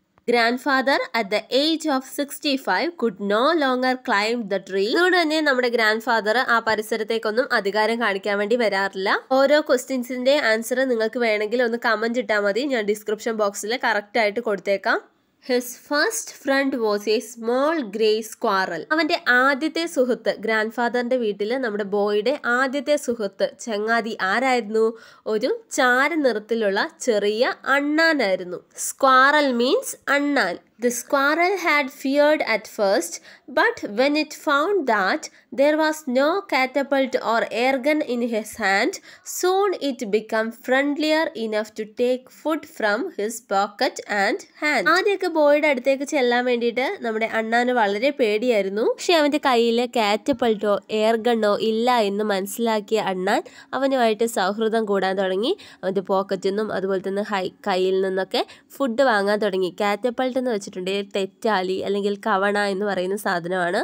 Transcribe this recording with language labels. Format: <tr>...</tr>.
<en>Grandfather at the age of 65 could no longer climb the tree.</en> <ml>അതുകൊണ്ട് തന്നെ നമ്മുടെ grand father ആ പരിസരത്തേക്കൊന്നും അധികാരം കാണിക്കാൻ വേണ്ടി വരാറില്ല. ഓരോ ക്വസ്റ്റ്യൻസിന്റെ ആൻസർ നിങ്ങൾക്ക് വേണമെങ്കിൽ ഒന്ന് കമന്റ് ഇട്ടാൽ മതി, ഞാൻ ഡിസ്ക്രിപ്ഷൻ ബോക്സിൽ കറക്റ്റ് ആയിട്ട് കൊടുത്തേക്കാം.</ml> <en>His first friend was a small grey squirrel.</en> <ml>അവൻ്റെ ആദ്യത്തെ സുഹൃത്ത്, ഗ്രാൻഡ് ഫാദറിൻ്റെ വീട്ടിൽ നമ്മുടെ ബോയുടെ ആദ്യത്തെ സുഹൃത്ത് ചങ്ങാതി ആരായിരുന്നു? ഒരു ചാര നിറത്തിലുള്ള ചെറിയ അണ്ണാനായിരുന്നു. സ്ക്വാറൽ മീൻസ് അണ്ണാൻ.</ml> <en>The squirrel had feared at first, but when it found that there was no catapult or air gun in his hand, soon it became friendlier enough to take food from his pocket and hand.</en> <ml>ആദ്യമൊക്കെ ബോയുടെ അടുത്തേക്ക് ചെല്ലാൻ വേണ്ടിയിട്ട് നമ്മുടെ അണ്ണാന് വളരെ പേടിയായിരുന്നു. പക്ഷെ അവൻ്റെ കയ്യിൽ കാറ്റപ്പൾട്ടോ എയർ ഗണ്ണോ ഇല്ല എന്ന് മനസ്സിലാക്കിയ അണ്ണാൻ അവനുമായിട്ട് സൗഹൃദം കൂടാൻ തുടങ്ങി. അവൻ്റെ പോക്കറ്റിൽ നിന്നും അതുപോലെ തന്നെ കയ്യിൽ നിന്നൊക്കെ ഫുഡ് വാങ്ങാൻ തുടങ്ങി. കാറ്റപ്പൾട്ട് എന്ന് വെച്ചിട്ടുണ്ട് തെറ്റാലി അല്ലെങ്കിൽ കവണ എന്ന് പറയുന്ന സാധനമാണ്.</ml>